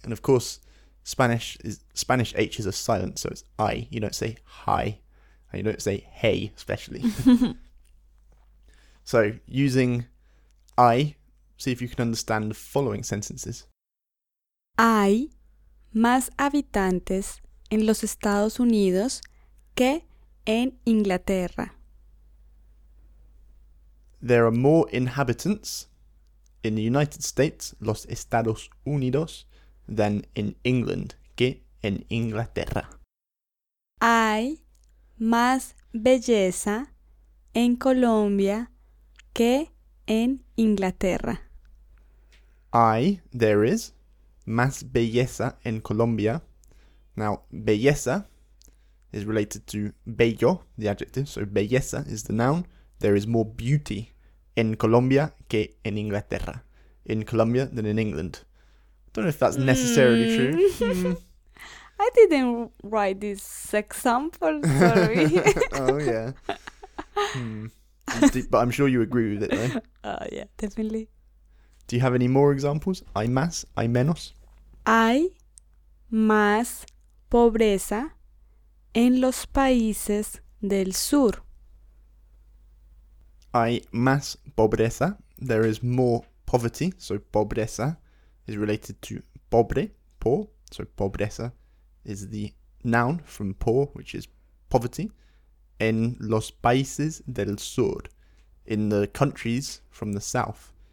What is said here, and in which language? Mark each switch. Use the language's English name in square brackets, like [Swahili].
[English] And of course, Spanish H's are silent, so it's I. You don't say hi, and you don't say hey, especially. So, using I, see if you can understand the following sentences. [Spanish] Hay más habitantes en los Estados Unidos que en Inglaterra. [English] There are more inhabitants in the United States, [Spanish] los Estados Unidos, [English] than in England, [Spanish] que en Inglaterra. Hay más belleza en Colombia que en Inglaterra. Hay, [English] there is, [Spanish] más belleza en Colombia. [English] Now, belleza is related to bello, the adjective, so belleza is the noun. There is more beauty [Spanish] en Colombia que en Inglaterra. [English] In Colombia than in England. Don't know if that's necessarily true. I didn't write this example, sorry. Oh, yeah. But I'm sure you agree with it, though. Yeah, definitely. Do you have any more examples? [Spanish] Hay más, hay menos. Hay más pobreza en los países del sur. Hay más pobreza. [English] There is more poverty, so pobreza is related to pobre, poor, so pobreza is the noun from poor, which is poverty, [Spanish] en los países del sur, [English] in the countries from the south.